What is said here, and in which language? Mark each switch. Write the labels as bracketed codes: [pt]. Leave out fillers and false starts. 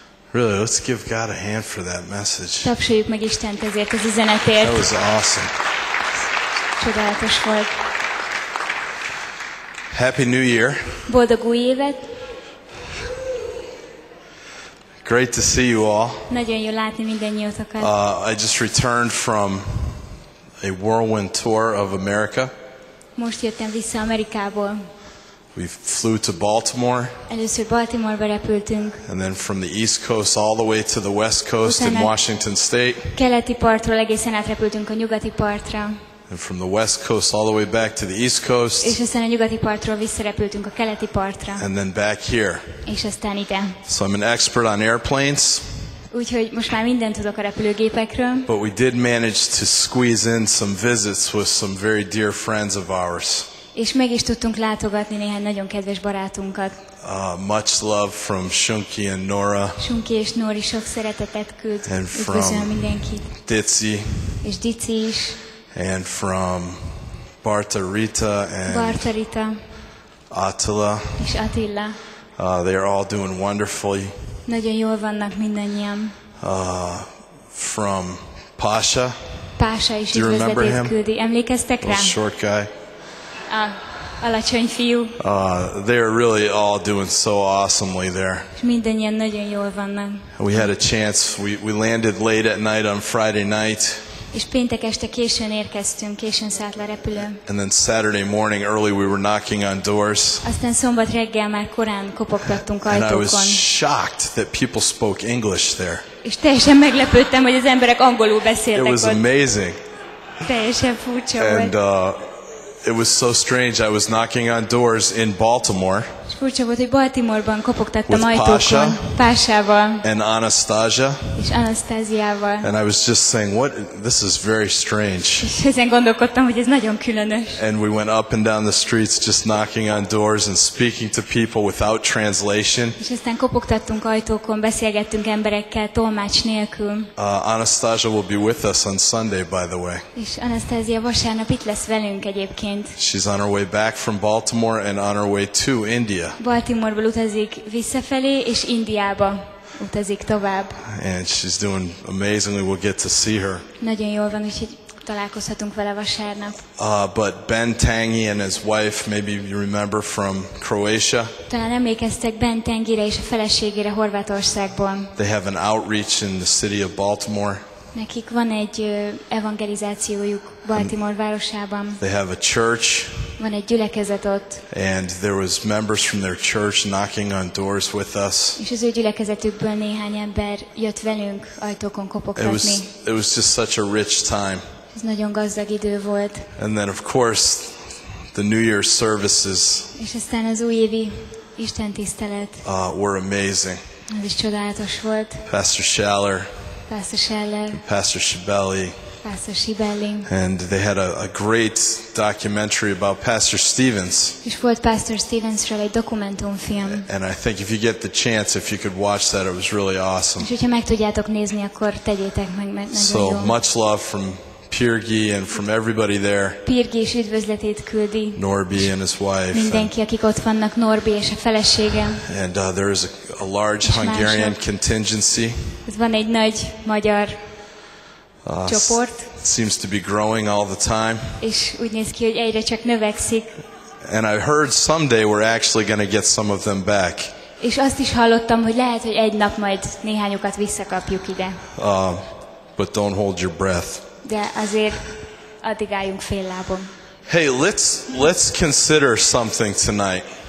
[en] Really, let's give God a hand for that message. [hu] Tapsoljuk meg Istent ezért az üzenetért. [en] That was awesome. [hu] Csodálatos volt. [en] Happy New Year. [hu] Boldog új évet. [en] Great to see you all. [hu] Nagyon jó látni mindannyiótokat. [en] I just returned from a whirlwind tour of America. [hu] Most jöttem vissza Amerikából. [en] We flew to Baltimore. [hu] Először Baltimore-ba repültünk. [en] And then from the East Coast all the way to the West Coast in Washington State. [hu] Keleti partról egészen átrepültünk a nyugati partra. [en] And from the West Coast all the way back to the East Coast. [hu] És aztán a nyugati partról visszarepültünk a keleti partra. [en] And then back here. [hu] És aztán ide. [en] So I'm an expert on airplanes. [hu] Úgyhogy most már mindent tudok a repülőgépekről. [en] But we did manage to squeeze in some visits with some very dear friends of ours. [hu] És meg is tudtunk látogatni néhány nagyon kedves barátunkat. [en] Much love from Shunki and Nora. [hu] Shunki és Nori sok szeretetet küld. [en] And from Ditsy. [hu] És Ditsy is. [en] And from Barta Rita and [hu] Barta Rita. Attila. És Attila. [en] They are all doing wonderfully. [hu] Nagyon jól vannak mindannyian. [en] From Pasha. [hu] Pasha is üdvözletét küldi. Emlékeztek rá? [en] A short guy. [hu] Alacsony fiú. [en] They are really all doing so awesomely there. [hu] Mindannyian nagyon jól vannak. [en] We had a chance. We landed late at night on Friday night. [hu] És péntek este későn érkeztünk, későn szállt le repülő. [en] And then Saturday morning early we were knocking on doors. [hu] Aztán szombat reggel már korán kopogtattunk ajtókon. [en] And I was shocked that people spoke English there. [hu] És teljesen meglepődtem, hogy az emberek angolul beszéltek ott. [en] It was amazing. [hu] Teljesen furcsa volt. [en] And it was so strange. I was knocking on doors in Baltimore. [hu] Furcsa volt, hogy Baltimore-ban kopogtattam ajtókon. Pásával. [en] And Anastasia. [hu] És Anastasiával. [en] And I was just saying, what? This is very strange. [hu] És ezen gondolkodtam, hogy ez nagyon különös. [en] And we went up and down the streets, just knocking on doors and speaking to people without translation. [hu] És aztán kopogtattunk ajtókon, beszélgettünk emberekkel tolmács nélkül. [en] Anastasia will be with us on Sunday, by the way. [hu] És Anastasia vasárnap itt lesz velünk egyébként. [en] She's on her way back from Baltimore and on her way to India. [hu] Baltimore-ból utazik visszafelé és Indiába utazik tovább. [en] And she's doing amazingly. We'll get to see her. [hu] Nagyon jól van, úgyhogy találkozhatunk vele vasárnap. [en] But Ben Tangi and his wife, maybe you remember from Croatia. [hu] Talán emlékeztek Ben Tangire és a feleségére Horvátországból. [en] They have an outreach in the city of Baltimore. [hu] Nekik van egy evangelizációjuk Baltimore városában. [en] They have a church. [hu] Van egy gyülekezet ott. [en] And there was members from their church knocking on doors with us. [hu] És az ő gyülekezetükből néhány ember jött velünk ajtókon kopogtatni. [en] It was just such a rich time. [hu] Ez nagyon gazdag idő volt. [en] And then of course the New Year's services. [hu] És aztán az újévi Isten tisztelet. [en] Were amazing. [hu] Ez is csodálatos volt. [en] Pastor Schaller. [hu] Pastor Schaller. [en] Pastor Schibelli. [hu] Pastor Schibelli. [en] And they had a great documentary about Pastor Stevens. [hu] És volt Pastor Stevensről egy dokumentumfilm. [en] And I think if you get the chance, if you could watch that, it was really awesome. [hu] És hogyha meg tudjátok nézni, akkor tegyétek meg, mert nagyon jó. [en] So much love from Pirgi and from everybody there. [hu] Pirgi is üdvözletét küldi. [en] Norbi and his wife. [hu] Mindenki, akik ott vannak, Norbi és a felesége. [en] And there is a large Hungarian contingency. [hu] Ez van egy nagy magyar csoport. [en] Seems to be growing all the time. [hu] És úgy néz ki, hogy egyre csak növekszik. [en] And I heard someday we're actually going to get some of them back. [hu] És azt is hallottam, hogy lehet, hogy egy nap majd néhányukat visszakapjuk ide. [en] But don't hold your breath. [hu] De azért addig álljunk fél lábon. [en] Hey, let's consider something tonight.